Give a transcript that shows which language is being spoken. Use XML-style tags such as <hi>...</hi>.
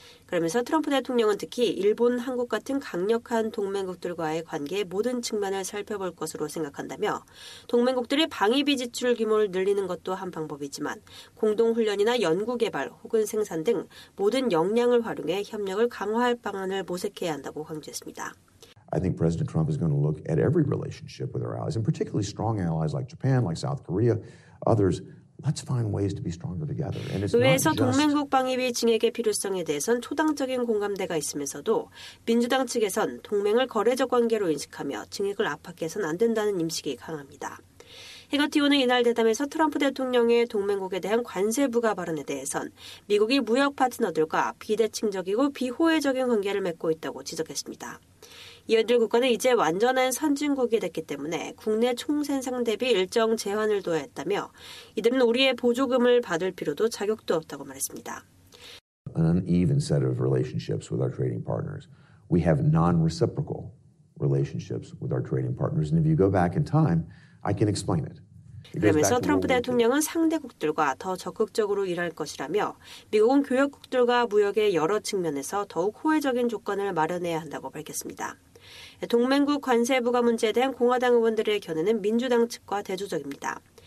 <ko>그러면서 트럼프 대통령은 특히 일본, 한국 같은 강력한 동맹국들과의 관계의 모든 측면을 살펴볼 것으로 생각한다며 동맹국들의 방위비 지출 규모를 늘리는 것도 한 방법이지만 공동훈련이나 연구개발 혹은 생산 등 모든 역량을 활용해 협력을 강화할 방안을 모색해야 한다고 강조했습니다.</ko> <en>I think President Trump is going to look at every relationship with our allies, and particularly strong allies like Japan, like South Korea, others. Let's find ways to be stronger together. And it's</en> <ko>의회에서 동맹국 방위비 증액의 필요성에 대해선 초당적인 공감대가 있으면서도 민주당 측에선 동맹을 거래적 관계로 인식하며 증액을 압박해선 안 된다는 인식이 강합니다. 해거티오는 이날 대담에서 트럼프 대통령의 동맹국에 대한 관세 부과 발언에 대해선 미국이 무역 파트너들과 비대칭적이고 비호혜적인 관계를 맺고 있다고 지적했습니다. 이어들 국가는 이제 완전한 선진국이 됐기 때문에 국내 총생산 대비 일정 제한을 둬야 했다며 이들은 우리의 보조금을 받을 필요도 자격도 없다고 말했습니다.</ko> <en>An uneven set of relationships with our trading partners. We have non-reciprocal relationships with our trading partners. And if you go back in time, I can explain it.</en> <ko>그러면서 트럼프 대통령은 상대국들과 더 적극적으로 일할 것이라며 미국은 교역국들과 무역의 여러 측면에서 더욱 호혜적인 조건을 마련해야 한다고 밝혔습니다. 동맹국 관세 부과 문제에 대한 공화당 의원들의 견해는 민주당 측과 대조적입니다.</ko>